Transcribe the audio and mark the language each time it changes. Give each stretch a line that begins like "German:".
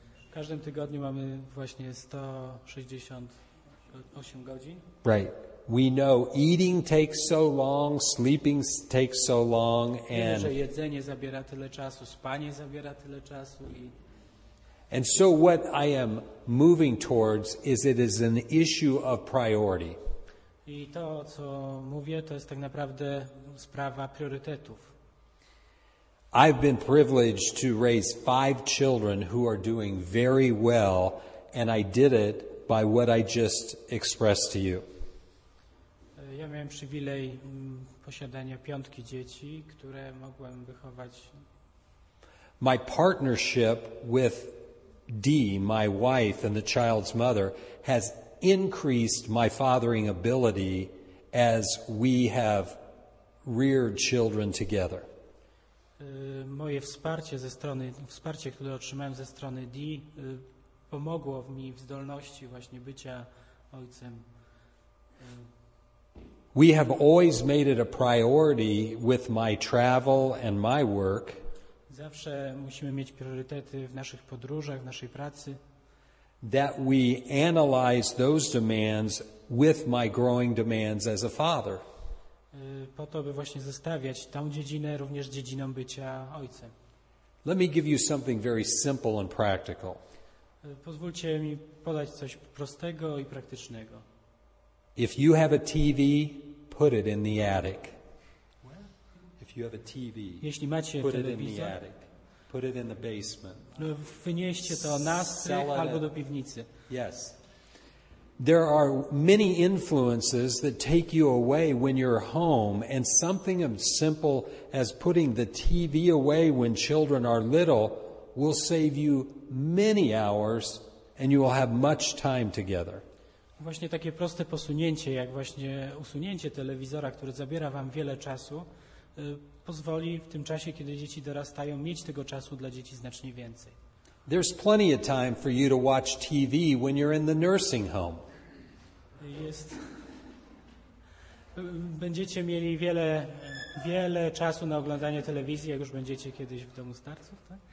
Polish: W każdym tygodniu mamy właśnie 168 godzin.
English: Right. We know eating takes so long, sleeping takes so long, and
Polish: wiemy, że jedzenie zabiera tyle czasu, spanie zabiera tyle czasu i
English: and so what I am moving towards is it is an issue of priority.
Polish: I to, co mówię, to jest tak naprawdę sprawa priorytetów.
English: I've been privileged to raise 5 children who are doing very well, and I did it by what I just expressed to you.
Polish: Ja miałem przywilej posiadania 5 dzieci, które mogłem wychować.
English: My partnership with Dee, my wife and the child's mother, has increased my fathering ability as we have reared children together.
Polish: Moje wsparcie ze strony, wsparcie, które otrzymałem ze strony Dee, pomogło mi w zdolności właśnie bycia ojcem.
English: We have always made it a priority with my travel and my work.
Polish: Zawsze musimy mieć priorytety w naszych podróżach, w naszej pracy.
English: That we analyze those demands with my growing demands as a father.
Polish: Po to, by właśnie zestawiać tą dziedzinę również dziedziną bycia ojcem.
English: Let me give you something very simple and practical.
Polish: Pozwólcie mi podać coś prostego i praktycznego.
English: If you have a TV, put it in the attic. If you have a TV,
Polish: jeśli macie
English: put
Polish: telewizor,
English: it in the attic. Put it in the basement.
Polish: No, wynieście to na strych albo do piwnicy.
English: Yes. There are many influences that take you away when you're home, and something as simple as putting the TV away when children are little will save you many hours and you will have much time together.
Polish: Właśnie takie proste posunięcie, jak właśnie usunięcie telewizora, które zabiera wam wiele czasu, pozwoli w tym czasie, kiedy dzieci dorastają, mieć tego czasu dla dzieci znacznie więcej.
English: There's plenty of time for you to watch TV when you're in the nursing home.
Polish: Jest. Będziecie mieli wiele, wiele czasu na oglądanie telewizji, jak już będziecie kiedyś w domu starców, tak?